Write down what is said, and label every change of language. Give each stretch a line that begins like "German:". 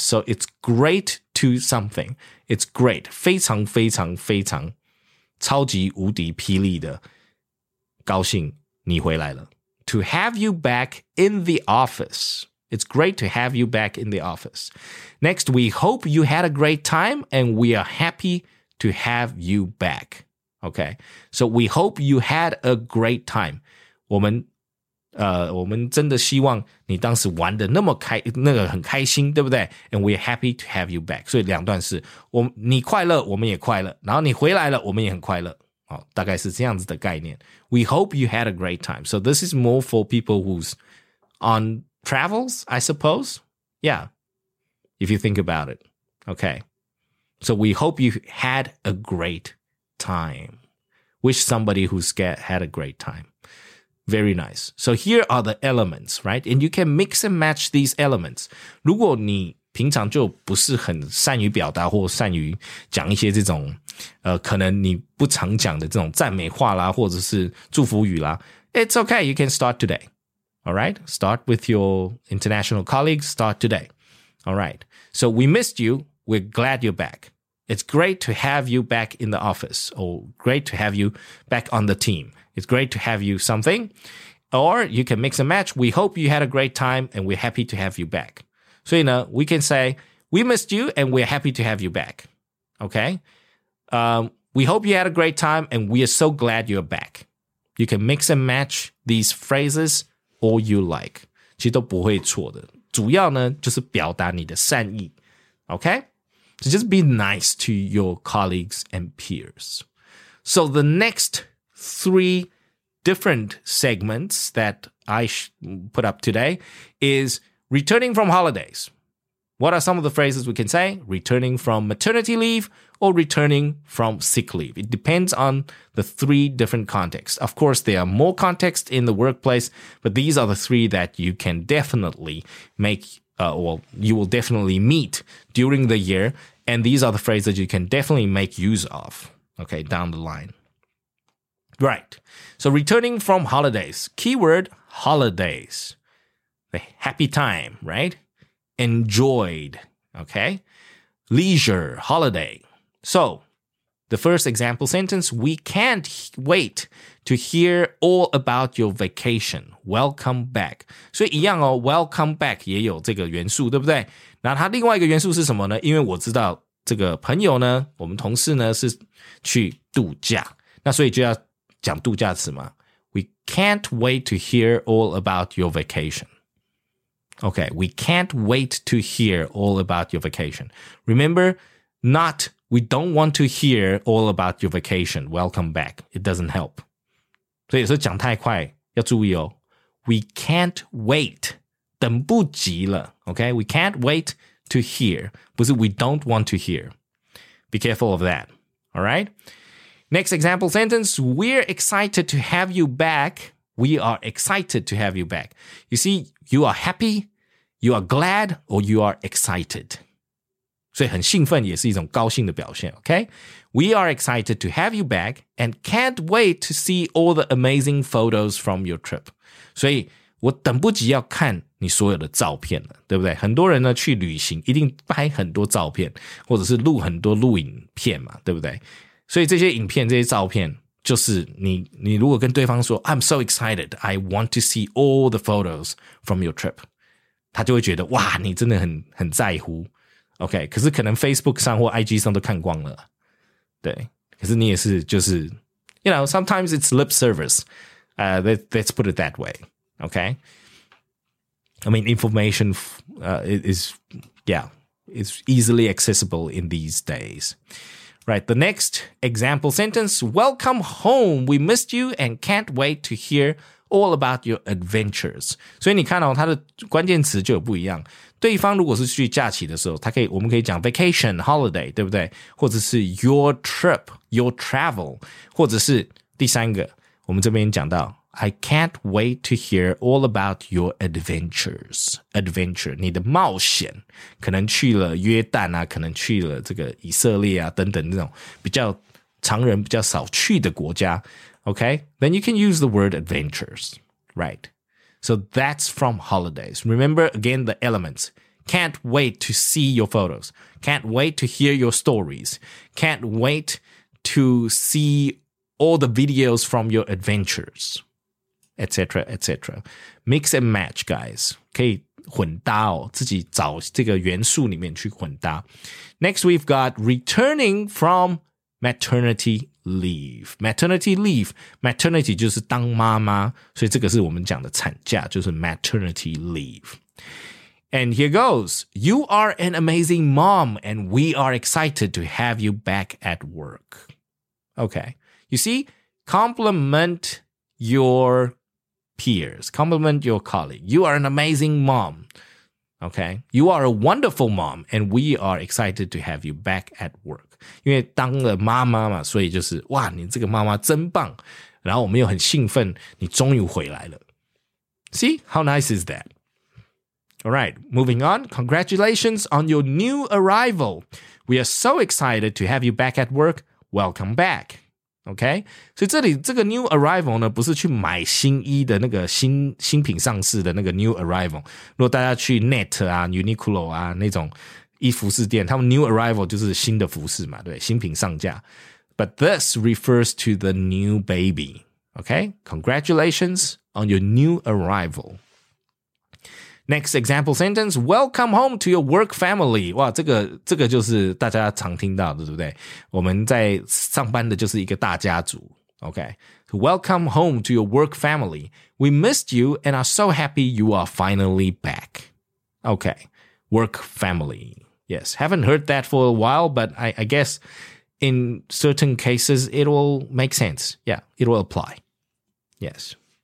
English: So it's great to something. It's great,
Chinese: 非常非常非常超级无敌霹雳的高兴你回来了。
English: To have you back in the office. It's great to have you back in the office. Next, we hope you had a great time and we are happy to have you back. Okay, so we hope you had a great time.
Chinese: 我们真的希望你当时玩得那么开，那个很开心，对不对？
English: And we're happy to have you back.
Chinese: 所以两段是，你快乐，我们也快乐，然后你回来了，我们也很快乐。哦，大概是这样子的概念。
English: We hope you had a great time. So this is more for people who's on... Travels, I suppose. Yeah. If you think about it. Okay. So we hope you had a great time. Wish somebody who's had a great time. Very nice. So here are the elements, right? And you can mix and match these elements.
Chinese: 如果你平常就不是很善于表达或善于讲一些这种可能你不常讲的这种赞美话啦或者是祝福语啦
English: It's okay. You can start today. All right, start with your international colleagues, start today. All right, so we missed you. We're glad you're back. It's great to have you back in the office or great to have you back on the team. It's great to have you something or you can mix and match. We hope you had a great time and we're happy to have you back. So, you know, we can say we missed you and we're happy to have you back. Okay, we hope you had a great time and we are so glad you're back. You can mix and match these phrases. All you like,
Chinese: 其实都不会错的。主要呢，就是表达你的善意。
English: Okay? So just be nice to your colleagues and peers. So the next three different segments that I put up today is returning from holidays. What are some of the phrases we can say? Returning from maternity leave or returning from sick leave. It depends on the three different contexts. Of course, there are more contexts in the workplace, but these are the three that you can definitely make, or you will definitely meet during the year. And these are the phrases you can definitely make use of, okay, down the line. Right. So returning from holidays, keyword holidays, the happy time, right? Enjoyed, okay? Leisure, holiday. So the first example sentence, we can't wait to hear all about your vacation. Welcome back.
Chinese: 所以一样哦 ,
English: welcome back
Chinese: 也有这个元素，对不对？那它另外一个元素是什么呢？因为我知道这个朋友呢，我们同事呢是去度假，那所以就要讲度假词嘛。
English: We can't wait to hear all about your vacation. Okay, we can't wait to hear all about your vacation. Remember, not, we don't want to hear all about your vacation. Welcome back. It doesn't help.
Chinese: 所以有时候讲太快，要注意哦。
English: We can't wait,
Chinese: 等不及了。
English: Okay, we can't wait to hear,
Chinese: 不是
English: we don't want to hear. Be careful of that, all right? Next example sentence, we're excited to have you back. We are excited to have you back. You see, you are happy, you are glad, or you are excited.
Chinese: 所以很兴奋也是一种高兴的表现, okay?
English: We are excited to have you back and can't wait to see all the amazing photos from your trip.
Chinese: 所以我等不及要看你所有的照片了，对不对？很多人呢去旅行一定拍很多照片，或者是录很多录影片嘛，对不对？所以这些影片这些照片就是你如果跟对方说
English: I'm so excited, I want to see all the photos from your trip,
Chinese: 他就会觉得哇你真的很在乎 OK, 可是可能 Facebook 上或 IG 上都看光了，对，可是你也是就是
English: You know, sometimes it's lip service, let's put it that way,
Chinese: OK,
English: I mean information is yeah, it's easily accessible in these daysRight, the next example sentence, welcome home, we missed you and can't wait to hear all about your adventures.
Chinese: 所以你看哦，它的关键词就有不一样。对方如果是去假期的时候，它可以，我们可以讲 vacation, holiday, 对不对？或者是
English: your trip, your travel,
Chinese: 或者是第三个，我们这边讲到
English: I can't wait to hear all about your adventures.
Chinese: Adventure, 你的冒险，可能去了约旦啊，可能去了这个以色列啊，等等那种比较常人比较少去的国家。
English: Okay? Then you can use the word adventures. Right? So that's from holidays. Remember again the elements. Can't wait to see your photos. Can't wait to hear your stories. Can't wait to see all the videos from your adventures. Etc. Etc. Mix and match, guys.
Chinese: 可以混搭哦，自己找这个元素里面去混搭。
English: Next, we've got returning from maternity leave. Maternity leave.
Chinese: Maternity 就是当妈妈，所以这个是我们讲的产假，就是 maternity leave.
English: And here goes. You are an amazing mom, and we are excited to have you back at work. Okay. You see, compliment your. Peers, compliment your colleague. You are an amazing mom. Okay? You are a wonderful mom, and we are excited to have you back at work.
Chinese: 因为当了妈妈嘛，所以就是，哇，你这个妈妈真棒。然后我们又很兴奋，你终于回来了。
English: See? How nice is that? All right, moving on. Congratulations on your new arrival. We are so excited to have you back at work. Welcome back. Okay,
Chinese: 所以这里这个 new arrival 呢，不是去买新衣的那个新品上市的那个 new arrival。如果大家去 net 啊、uniqlo 啊那种衣服饰店，他们 new arrival 就是新的服饰嘛，对，新品上架。
English: But this refers to the new baby. Okay, congratulations on your new arrival. Next example sentence, welcome home to your work family.
Chinese: 哇，这个就是大家常听到的，对不对？我们在上班的就是一个大家族。
English: Okay. So welcome home to your work family. We missed you and are so happy you are finally back. Okay. Work family. Yes. Haven't heard that for a while, but I guess in certain cases, it will make sense. Yeah. It will apply. Yes.